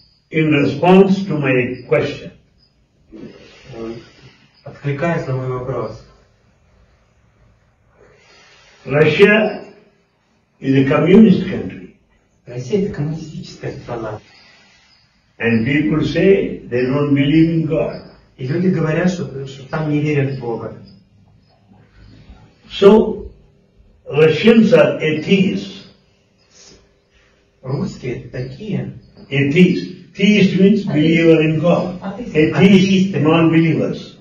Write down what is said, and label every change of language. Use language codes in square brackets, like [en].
[en] In response to my question. [ru] Откликаясь на мой вопрос. [en] Russia is a communist country. [ru] Россия это коммунистическая страна. [en] And people say they don't believe in God. [ru] И люди говорят, что там не верят в Бога. [en] So, Russians are atheists. [ru] Русские такие. [en] Atheist. Theist means believer in God. Atheist, non-believers.